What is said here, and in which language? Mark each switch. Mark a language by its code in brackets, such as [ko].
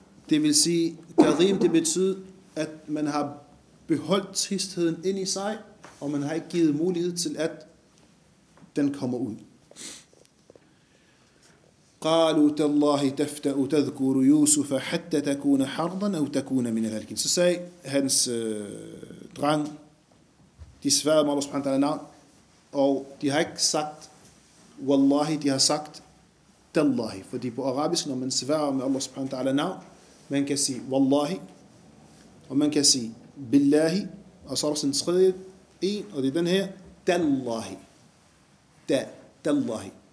[da] Det vil sige, kadhim, det betyder, at man har beholdt tristheden ind i sig, og man har ikke givet mulighed til, at den kommer ud. [ar] قالوا تالله تفتأ تذكر يوسف حتى تكون حرضا او تكون من الهلكين. [da] Så sagde hans dreng, de sværede med Allah subhanahu wa ta'ala navn, og de har ikke sagt wallahi, de har sagt tallahi, fordi på arabisk, når man sværer med Allah subhanahu wa ta'ala navn, man kan sige wallahi, og man kan sige billahi, og så er der sådan skrevet en, og det er den her tallahi, tallahi.